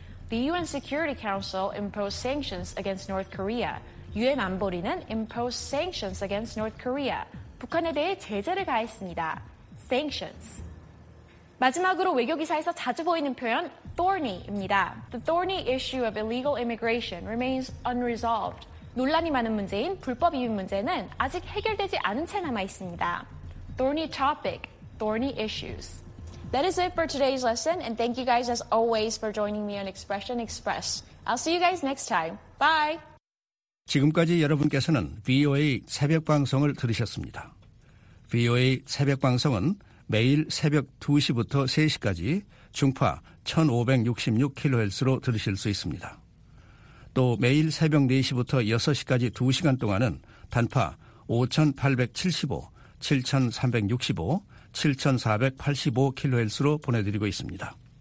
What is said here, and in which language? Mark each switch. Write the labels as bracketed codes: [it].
[en] The UN Security Council imposed sanctions against North Korea. [ko] UN 안보리는 [en] imposed sanctions against North Korea. [ko] 북한에 대해 제재를 가했습니다. sanctions. 마지막으로 외교기사에서 자주 보이는 표현 thorny입니다. [en] The thorny issue of illegal immigration remains unresolved. [ko] 논란이 많은 문제인 불법 이민 문제는 아직 해결되지 않은 채 남아있습니다. [en] thorny topic, thorny issues. That is it for today's lesson, and thank you guys as always for joining me on Expression Express. I'll see you guys next time. Bye! [ko] 지금까지 여러분께서는 VOA 새벽 방송을 들으셨습니다. VOA 새벽 방송은 매일 새벽 2시부터 3시까지 중파 1566kHz로 들으실 수 있습니다. 또 매일 새벽 4시부터 6시까지 2시간 동안은 단파 5875, 7365, 7485kHz로 보내드리고 있습니다.